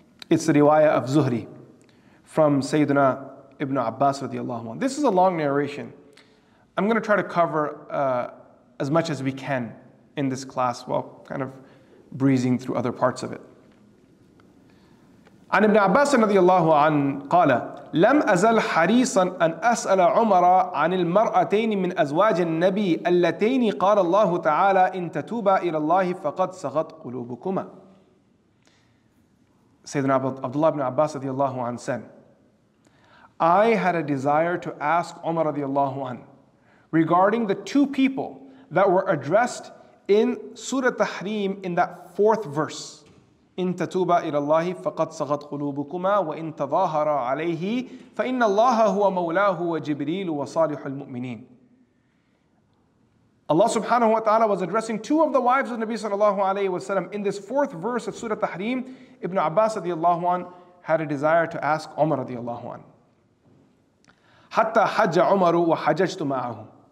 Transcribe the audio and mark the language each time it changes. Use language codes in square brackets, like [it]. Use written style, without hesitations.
[en] It's the riwayah of Zuhri from Sayyidina Ibn Abbas radiallahu anhu. This is a long narration. I'm going to try to cover as much as we can in this class while kind of breezing through other parts of it. [ar] عن ابن عباس رضي الله عنه قال لم أزل حريصا أن أسأل عمر عن المرأتين من أزواج النبي اللتين قال الله تعالى إن تتوبا إلى الله فقد صغت قلوبكما. [en] سيدنا عبد الله بن عباس رضي الله عنه said, I had a desire to ask Umar رضي الله عنه regarding the two people that were addressed in Surah Tahrim in that fourth verse. [ar] إن تتوبا إلى الله فقد صغت قلوبكما وإن تظاهرا عليه فإن الله هو مولاه وجبريل وصالح المؤمنين. [en] Allah subhanahu wa ta'ala was addressing two of the wives of Nabi sallallahu alayhi wa sallam. In this fourth verse of Surah Tahrim, Ibn Abbas radiallahu an had a desire to ask Umar radiallahu an. [ar] حتى حج عمر وحججت معه.